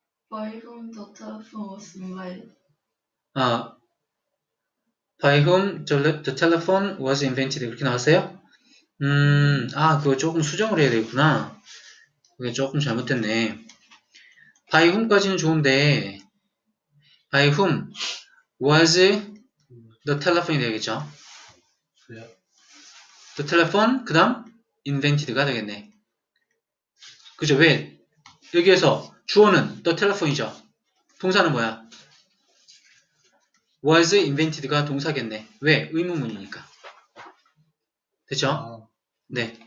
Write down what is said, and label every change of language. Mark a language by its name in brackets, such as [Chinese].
[English] By whom the telephone was invented? By whom the telephone was invented? [Korean] 그렇게 나왔어요? 그거 조금 수정을 해야 되구나. 그게 조금 잘못됐네. [English] By whom까지는 [Korean] 좋은데, [English] By whom was the telephone이 [Korean] 되겠죠? The telephone, 그 다음, invented가 되겠네. 그죠? 왜? 여기에서 주어는 the telephone이죠? 동사는 뭐야? was invented가 동사겠네. 왜? 의문문이니까. 됐죠? 네.